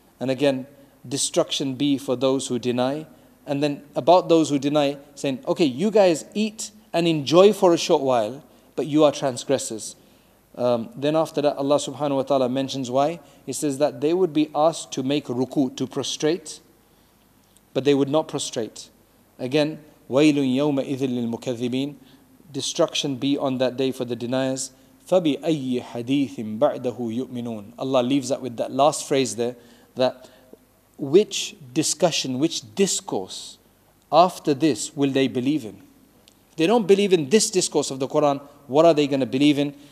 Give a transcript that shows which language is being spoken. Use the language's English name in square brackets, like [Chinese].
[English] And again, destruction be for those who deny. And then about those who deny, saying, okay, you guys eat and enjoy for a short while, but you are transgressors. Then after that, Allah subhanahu wa ta'ala mentions why. He says that they would be asked to make ruku, to prostrate, but they would not prostrate. Again, [Arabic] وَيْلٌ يَوْمَئِذٍ لِلْمُكَذِّبِينَ. [English] Destruction be on that day for the deniers. [Arabic] فَبِأَيِّ حَدِيثٍ بَعْدَهُ يُؤْمِنُونَ. [English] Allah leaves that with that last phrase there, that which discussion, which discourse after this will they believe in? If they don't believe in this discourse of the Quran, what are they going to believe in?